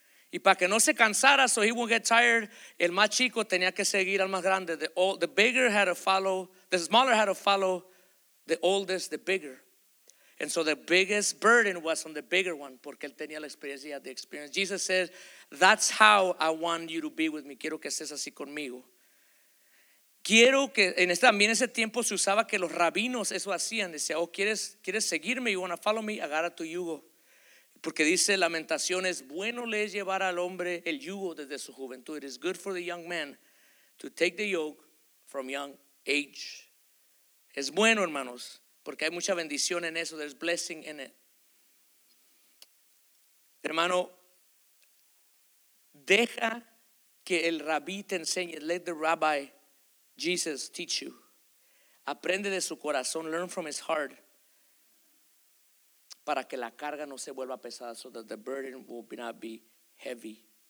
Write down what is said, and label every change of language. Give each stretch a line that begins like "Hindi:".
Spanish: Y para que no se cansara,
English: so he wouldn't get tired,
Spanish: el más chico tenía que seguir al más grande.
English: The bigger had to follow, the smaller had to follow the oldest, the bigger. And so the biggest burden was on the bigger one,
Spanish: porque él tenía la experiencia,
English: the experience. Jesus says, that's how I want you to be with me.
Spanish: Quiero que estés así conmigo. Quiero que, en este, también ese tiempo se usaba que los rabinos eso hacían. Decía, oh, ¿quieres seguirme?
English: You want to follow me?
Spanish: Agarra tu yugo. Porque dice Lamentaciones, bueno le es llevar al hombre el yugo desde su juventud.
English: It is good for the young man to take the yoke from young age.
Spanish: Es bueno, hermanos, porque hay mucha bendición en eso.
English: There's blessing in it.
Spanish: Hermano, deja que el rabí te enseñe.
English: Let the rabbi Jesus teach you.
Spanish: Aprende de su corazón.
English: Learn from his heart.
Spanish: Para que la carga no se vuelva pesada.
English: So that the burden will not be heavy.